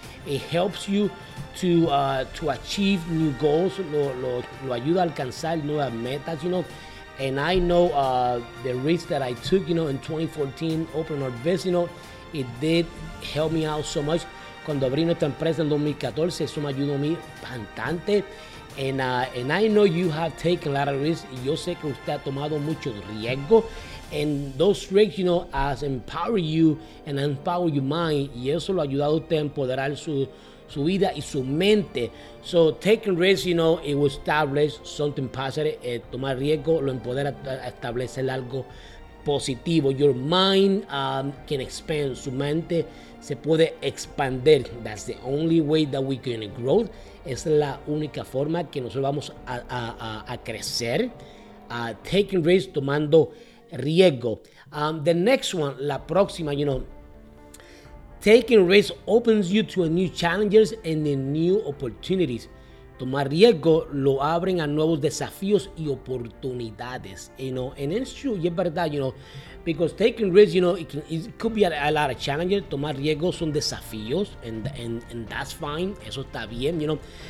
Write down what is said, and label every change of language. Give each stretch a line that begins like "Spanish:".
English: It helps you to achieve new goals,
Spanish: lo ayuda a alcanzar nuevas metas,
English: And I know the risk that I took, in 2014, opening our business, it did help me out so much.
Spanish: Cuando abrí nuestra empresa en 2014, eso me ayudó a mí bastante.
English: And I know you have taken a lot of risks.
Spanish: Yo sé que usted ha tomado mucho riesgo.
English: And those risks, has empowered you and empowered your mind.
Spanish: Y eso lo ha ayudado a usted a empoderar su vida y su mente.
English: So taking risks, it will establish something positive.
Spanish: Tomar riesgo lo empodera a establecer algo positivo.
English: Your mind can expand.
Spanish: Su mente se puede expandir.
English: That's the only way that we can grow.
Spanish: Es la única forma que nosotros vamos a crecer.
English: Taking risks,
Spanish: tomando riesgo.
English: The next one,
Spanish: la próxima,
English: Taking risks opens you to a new challenges and a new opportunities.
Spanish: Tomar riesgo lo abren a nuevos desafíos y oportunidades.
English: You know, and it's true,
Spanish: y es verdad,
English: you know, because taking risks, you know, it could be a lot of challenges.
Spanish: Tomar riesgo son desafíos,
English: and that's fine.
Spanish: Eso está bien,
English: you know.